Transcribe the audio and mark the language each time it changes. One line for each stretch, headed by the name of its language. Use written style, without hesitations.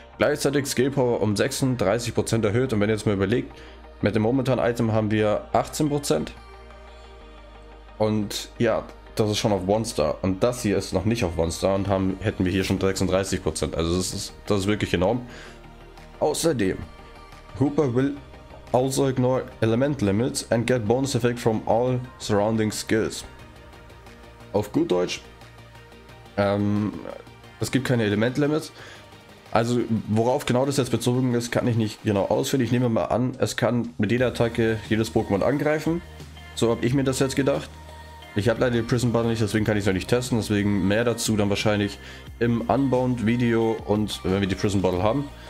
German: Gleichzeitig Skill Power um 36% erhöht und wenn ihr jetzt mal überlegt, mit dem momentanen Item haben wir 18% und ja, das ist schon auf One Star und das hier ist noch nicht auf One Star und hätten wir hier schon 36%. Also das ist wirklich enorm. Außerdem,
English: Hooper will also ignore Element Limits and get Bonus Effect from all surrounding skills.
German: Auf gut Deutsch, es gibt keine Element Limits. Also worauf genau das jetzt bezogen ist, kann ich nicht genau ausführen. Ich nehme mal an, es kann mit jeder Attacke jedes Pokémon angreifen. So habe ich mir das jetzt gedacht. Ich habe leider die Prison Bottle nicht, deswegen kann ich es noch nicht testen, deswegen mehr dazu dann wahrscheinlich im Unbound Video und wenn wir die Prison Bottle haben.